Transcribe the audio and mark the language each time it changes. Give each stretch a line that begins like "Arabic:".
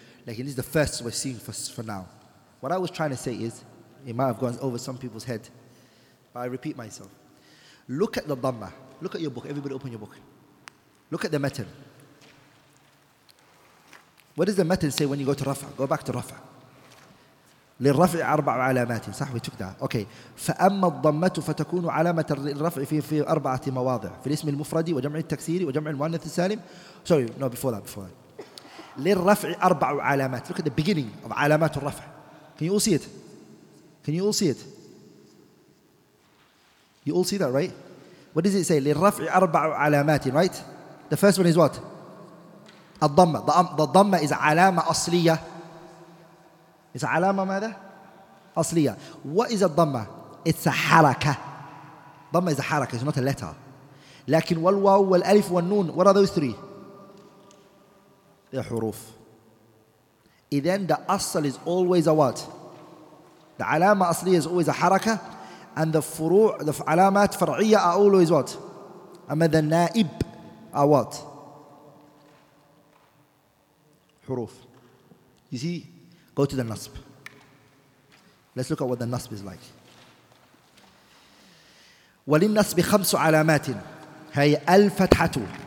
English: Like, this is the first we're seeing for now. What I was trying to say is, it might have gone over some people's head, but I repeat myself. Look at the Dhamma. Look at your book. Everybody open your book. Look at the matan. What does the matan say when you go to Rafa? Go back to Rafa.
Arabic: للرفع أربع علامات صح
English: we took that okay
Arabic: فأما الضمة فتكون علامة للرفع في أربعة مواضع في الاسم المفرد وجمع التكسير وجمع المؤنث السالم
English: sorry no before that
Arabic: للرفع أربع علامات
English: look at the beginning of
Arabic: علامات الرفع
English: can you all see it you all see that right what does it say
Arabic: للرفع أربع علامات
English: right the first one is what الضمة the ضمة is
Arabic: علامة أصلية
English: It's alama ماذا? Asliya. What is a dhamma? It's a haraka. Dhamma is a haraka, it's not a letter.
Arabic: لكن والواو والالف والنون,
English: what are those three? They're huruf. Then the asl is always a what? The alama asliya is always a haraka. And the furu', the alamat far'iyya are always what? Amma the na'ib are what? حروف. You see, go to the nasb. Let's look at what the nasb is like.
Arabic: وللنصب خمس علامات هي الفتحة.